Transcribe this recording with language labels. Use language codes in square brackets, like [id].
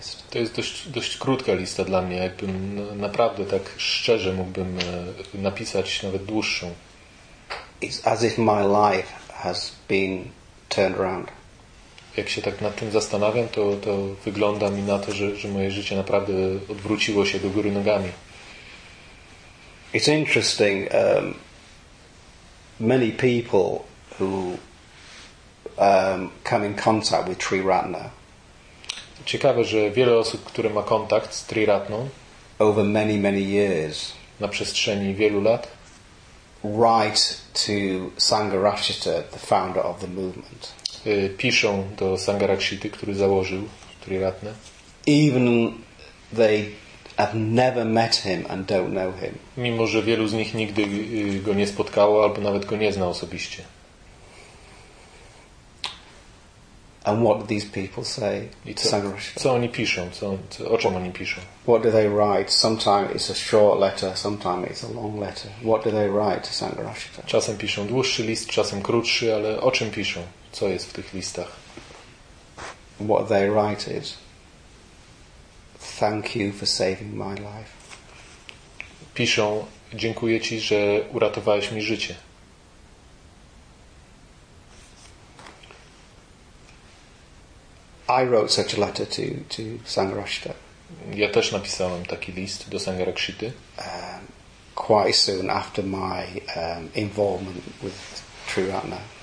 [pl] To jest dość krótka lista dla mnie. Jakbym naprawdę tak szczerze mógłbym napisać nawet dłuższą. [en] It's as if my life has been turned around. [pl] Jak się tak nad tym zastanawiam, to wygląda mi na to, że moje życie naprawdę odwróciło się do góry nogami. [en] It's interesting. Many people who come in contact with Tri Ratna. [pl] Ciekawe, że wiele osób, które ma kontakt z Tri Ratną, [en] over many, many years, [pl] na przestrzeni wielu lat, [en] write to Sangharakshita, the founder of the movement. [pl] Piszą do Sangharakshity, który założył Tri Ratnę. [en] Even they I've never met him and don't know him. [pl] Mimo że wielu z nich nigdy go nie spotkało albo nawet go nie zna osobiście. [en] And what do these people say? [pl] Co oni piszą? O czym oni piszą? [en] What do they write? Sometimes it's a short letter, sometimes it's a long letter. What do they write to Sangharakshita? [pl] Czasem piszą dłuższy list, czasem krótszy, ale o czym piszą? Co jest w tych listach? [en] What they write is, thank you for saving my life. [pl] Piszą, dziękuję ci, że uratowałeś mi życie. [en] I wrote such a letter to Sangharakshita. [pl] Ja też napisałem taki list do Sangharakshiti. [en] Quite soon after my involvement with Sri Ratna.